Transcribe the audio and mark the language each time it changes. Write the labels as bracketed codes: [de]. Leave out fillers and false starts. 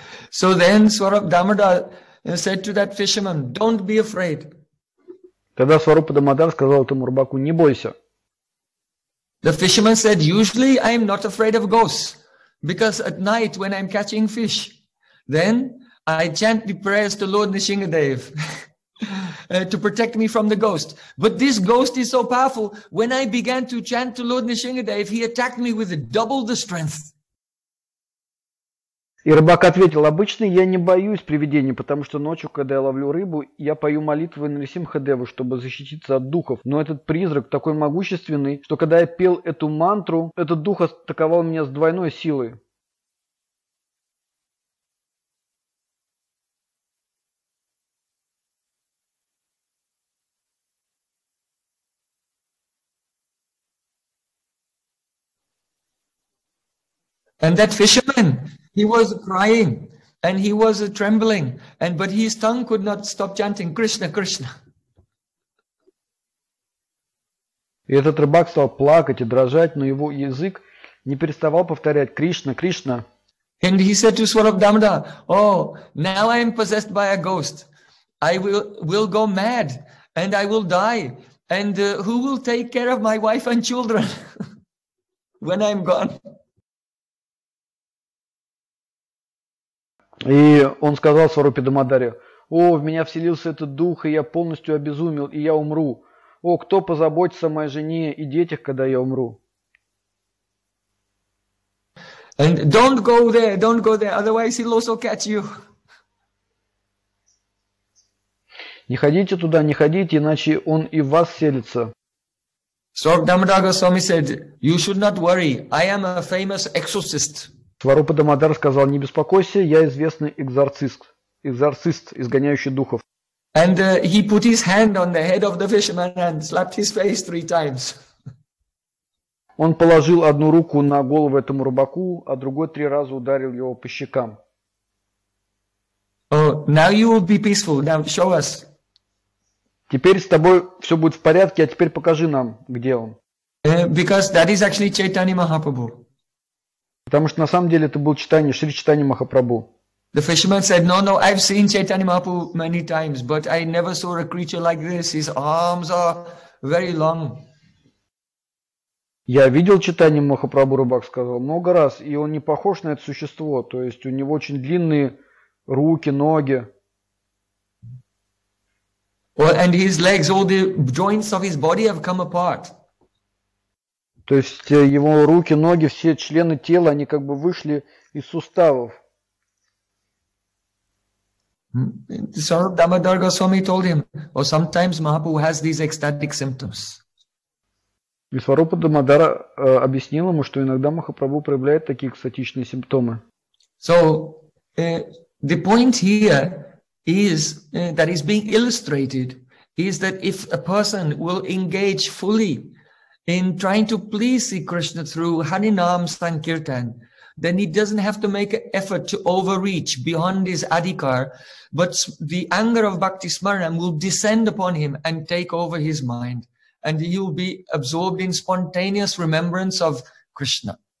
[en] So then Swarup Damodar said to that fisherman, "Don't be afraid." [ru] Тогда Сварупа Дамодар сказал этому рыбаку: "Не бойся." [en] The fisherman said, "Usually I am not afraid of ghosts, because at night when I'm catching fish, then I chant the prayers to Lord Nishingadev to protect me from the ghost. But this ghost is so powerful. When I began to chant to Lord Nishingadev, he attacked me with double the strength." [ru] И рыбак ответил: "Обычно я не боюсь привидений, потому что ночью, когда я ловлю рыбу, я пою молитвы Нарисимхадеву, чтобы защититься от духов. Но этот призрак такой могущественный, что когда я пел эту мантру, этот дух атаковал меня с двойной силой." [en] And that fisherman, he was crying and he was trembling, and but his tongue could not stop chanting Krishna, Krishna. [ru] И этот рыбак стал плакать и дрожать, но его язык не переставал повторять Кришна, Кришна. [en] And he said to Swarup Damodar, "Oh, now I am possessed by a ghost. I will go mad and I will die. And who will take care of my wife and children when I'm gone?" [ru] И он сказал Сварупе Дамодаре: "О, в меня вселился этот дух, и я полностью обезумел, и я умру. О, кто позаботится о моей жене и детях, когда я умру?" [en] And don't go there, otherwise he'll also catch you. [ru] Не ходите туда, не ходите, иначе он и в вас вселится. [en] Swarup Damodar Goswami said, "You should not worry, I am a famous exorcist." [ru] Сварупа Дамодар сказал: "Не беспокойся, я известный экзорцист, экзорцист, изгоняющий духов." [en] And he put his hand on the head of the fisherman and slapped his face three times. [ru] Он положил одну руку на голову этому рыбаку, а другой три раза ударил его по щекам. [en] "Oh, now you will be peaceful. Now show us." [ru] Теперь с тобой все будет в порядке, а теперь покажи нам, где он. [en] Because that is actually Chaitanya Mahaprabhu. [ru] Потому что на самом деле это был читание, Шри Читания Махапрабху. [en] The fisherman said, "No, no, I've seen Chaitanya Mahaprabhu many times, but I never saw a creature like this. His arms are very long." [ru] Я видел Читание Махапрабху, рыбак сказал, много раз, и он не похож на это существо. То есть у него очень длинные руки, ноги. [en] Well, and his legs, all the joints of his body have come apart. [ru] То есть его руки, ноги, все члены тела, они как бы вышли из суставов. [en] Swarup Damodar Goswami told him, "Or sometimes Mahaprabhu has these ecstatic symptoms." [ru] И Сварупа Дамодар объяснил ему, что иногда Махапрабху проявляет такие экстатичные симптомы. [en] So the point here is that is being illustrated is that if a person will engage fully in trying to please Sri Krishna through Harinam Sankirtan, then he doesn't have to make an effort to overreach beyond his adhikar, but the anger of Bhakti Smaranam will descend upon him and take over his mind, and he will be absorbed in spontaneous remembrance of Krishna.